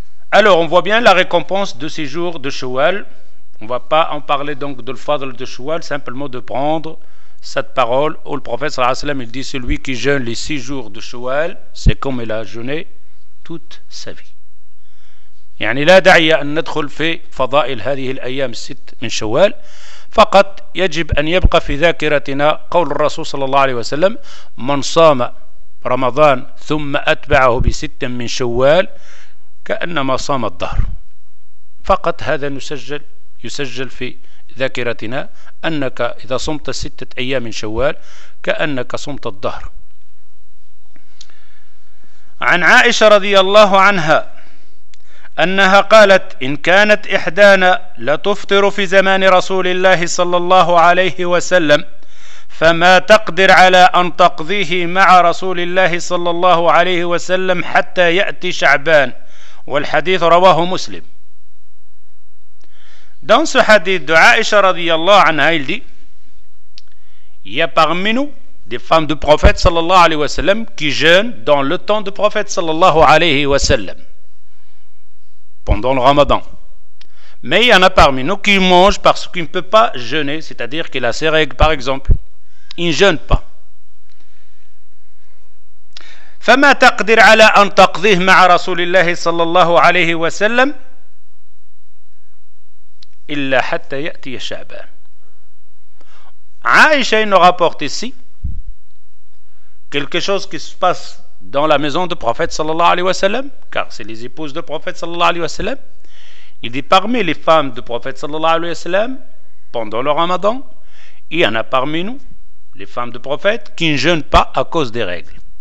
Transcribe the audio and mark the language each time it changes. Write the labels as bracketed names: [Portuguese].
[French] Alors, on voit bien la récompense de six jours de Shawwal. On ne va pas en parler donc de le fadl de Shawwal, simplement de prendre cette parole où le prophète sallallahu alayhi wa sallam, il dit celui qui jeûne les six jours de Shawwal, c'est comme il a jeûné toute sa vie. [Arabic] يعني لا داعي أن ندخل في فضائل هذه الأيام الست من شوال فقط يجب أن يبقى في ذاكرتنا قول الرسول صلى الله عليه وسلم من صام رمضان ثم أتبعه بست من شوال كأنما صام الظهر. فقط هذا يسجل في ذاكرتنا أنك إذا صمت ستة أيام من شوال كأنك صمت الظهر. عن عائشة رضي الله عنها أنها قالت إن كانت إحدانا لتفطر في زمان رسول الله صلى الله عليه وسلم فما تقدر على أن تقضيه مع رسول الله صلى الله عليه وسلم حتى يأتي شعبان. والحديث رواه مسلم. [French] Dans ce hadith de Aïcha radiyallahu anha, il dit: il y a parmi nous des femmes du prophète sallallahu alayhi wa sallam qui jeûnent dans le temps du prophète sallallahu alayhi wa sallam, pendant le ramadan. Mais il y en a parmi nous qui mangent parce qu'il ne peut pas jeûner, c'est-à-dire qu'il a ses règles par exemple. Il ne jeûne pas. [Arabic] فما تقدر على أن تقضيه مع رسول الله صلى الله عليه وسلم إلا حتى يأتي شعبان. [French] Aïcha nous rapporte ici quelque chose qui se passe dans la maison du prophète sallallahu alayhi wa sallam, car c'est les épouses du prophète sallallahu alayhi wa sallam. Il dit parmi les femmes du prophète sallallahu alayhi wa sallam, pendant le ramadan, il y en a parmi nous, les femmes du prophète, qui ne jeûnent pas à cause des règles.